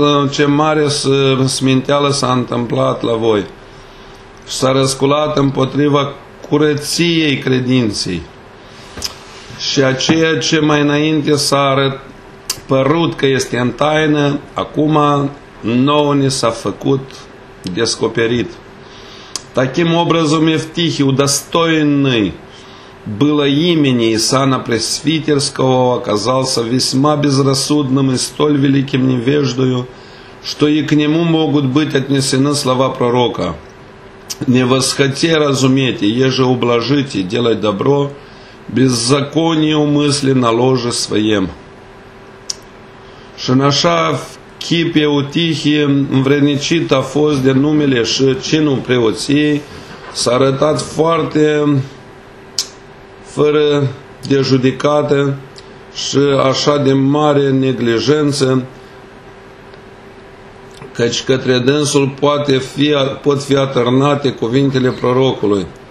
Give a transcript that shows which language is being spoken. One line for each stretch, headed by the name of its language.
Romanian: ce mare sminteală s-a întâmplat la voi și s-a răsculat împotriva curăției credinței și a ceea ce mai înainte s-a arătat părut că este în taină, acum nouă ni s-a făcut descoperit.
Russian: Таким образом Евтихий удостоенный было имени и сана пресвитерского оказался весьма безрассудным и столь великим невеждою, что и к нему могут быть отнесены слова пророка: «Не восхоте разуметь, еже ублажите, делать добро, беззаконие умысли на ложе своем».
Romanian: Și în așa chip Eutihie învrednicit a fost de numele și cinul preoției, s-a arătat foarte fără de judecată și așa de mare neglijență, căci către dânsul pot fi atârnate cuvintele prorocului.